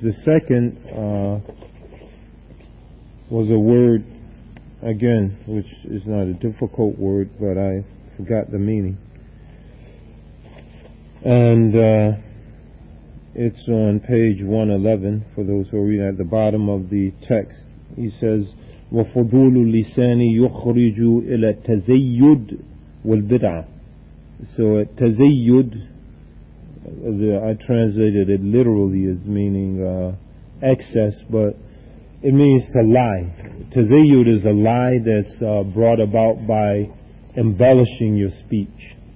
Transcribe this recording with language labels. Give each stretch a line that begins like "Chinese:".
English: The second was a word, again, which is not a difficult word, but I forgot the meaning. And it's on page 111, for those who are reading at the bottom of the text. He says,
Arabic: وَفُضُولُ لِسَانِ يُخْرِجُ إِلَى التَّزَيُّدْ وَالْبِدْعَةِ.
English: So, التَّزَيُّدْ, I translated it literally as meaning excess, but it means to lie. التَّزَيُّدْ is a lie that's brought about by embellishing your speech.